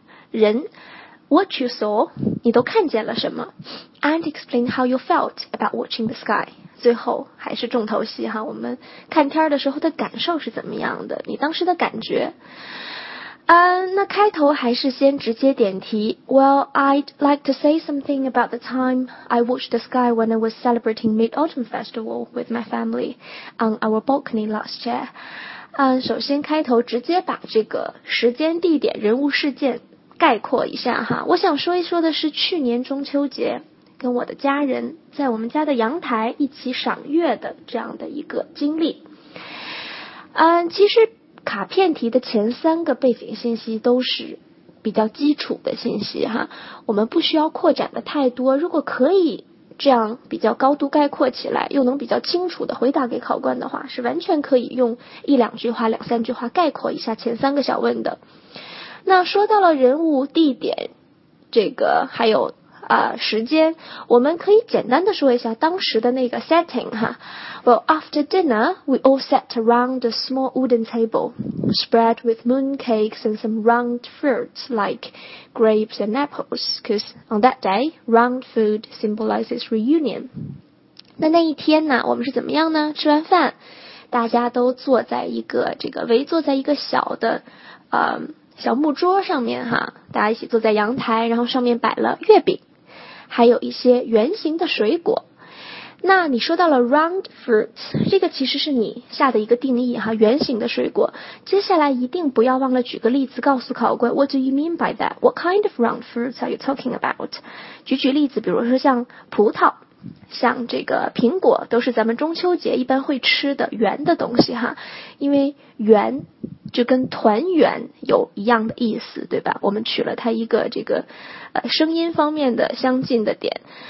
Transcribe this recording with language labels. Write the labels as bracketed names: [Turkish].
[English] 人 ，what you saw， [Chinese] 你都看见了什么 [English] ？And explain how you felt about watching the sky。 [Chinese] 最后还是重头戏哈，我们看天的时候的感受是怎么样的？你当时的感觉？那开头还是先直接点题。 [English] Well, I'd like to say something about the time I watched the sky when I was celebrating Mid-Autumn Festival with my family on our balcony last year。 [Chinese] 首先开头直接把这个时间、地点、人物、事件。概括一下哈，我想说一说的是去年中秋节跟我的家人在我们家的阳台一起赏月的这样的一个经历。其实卡片题的前三个背景信息都是比较基础的信息哈，我们不需要扩展的太多，如果可以这样比较高度概括起来，又能比较清楚的回答给考官的话，是完全可以用一两句话、两三句话概括一下前三个小问的。那说到了人物、地点，这个还有时间，我们可以简单的说一下当时的那个 setting 哈。 [English] Well, after dinner, we all sat around a small wooden table, spread with mooncakes and some round fruits like grapes and apples, because on that day, round food symbolizes reunion. [Chinese] 那一天呢，我们是怎么样呢？吃完饭，大家都坐在一个这个围坐在一个小的小木桌上面哈，大家一起坐在阳台，然后上面摆了月饼，还有一些圆形的水果。那你说到了 round fruits， 这个其实是你下的一个定义哈，圆形的水果。接下来一定不要忘了举个例子告诉考官 [English] what do you mean by that? What kind of round fruits are you talking about? [Chinese] 举举例子，比如说像葡萄，像这个苹果，都是咱们中秋节一般会吃的圆的东西哈，因为圆就跟团圆有一样的意思，对吧？我们取了它一个这个声音方面的相近的点。